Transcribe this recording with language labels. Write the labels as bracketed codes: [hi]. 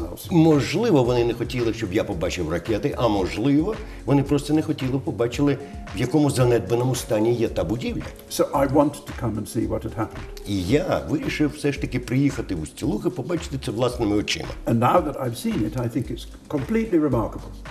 [uk] Можливо, вони не хотіли, щоб я побачив ракети, а можливо, вони просто не хотіли побачити, в якому занедбаному стані є та будівля. [en] So I wanted to come and see what had happened. [uk] І я вирішив все ж таки приїхати в Устілук і побачити це власними очима. [en] And now that I've seen it, I think it's completely remarkable.